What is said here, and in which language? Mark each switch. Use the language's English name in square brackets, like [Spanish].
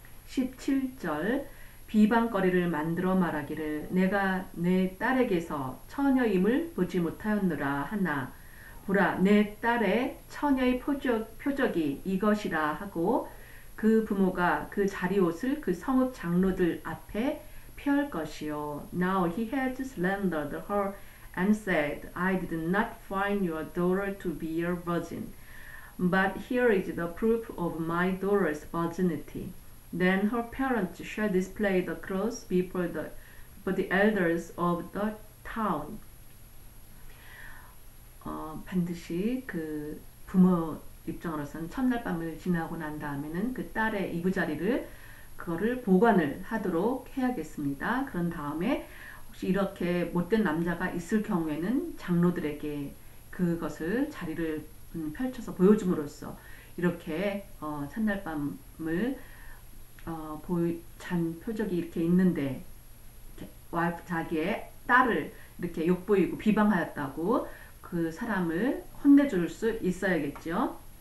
[Korean] 17절 비방거리를 만들어 말하기를 내가 내 딸에게서 처녀임을 보지 못하였느라 하나 보라 내 딸의 처녀의 표적이 이것이라 하고 그 부모가 그 자리 옷을 그 성읍 장로들 앞에 펼 것이요. [English] Now he had slandered her and said, I did not find your daughter to be a virgin. But here is the proof of my daughter's virginity. Then her parents shall display the cross before the elders of the town. [Korean] 반드시 그 부모 입장으로서는 첫날 밤을 지나고 난 다음에는 그 딸의 이부자리를 그거를 보관을 하도록 해야겠습니다. 그런 다음에 혹시 이렇게 못된 남자가 있을 경우에는 장로들에게 그것을 자리를 펼쳐서 보여줌으로써 이렇게 첫날 밤을 잔 표적이 이렇게 있는데 자기의 딸을 이렇게 욕보이고 비방하였다고 그 사람을 혼내줄 수 있어야겠죠.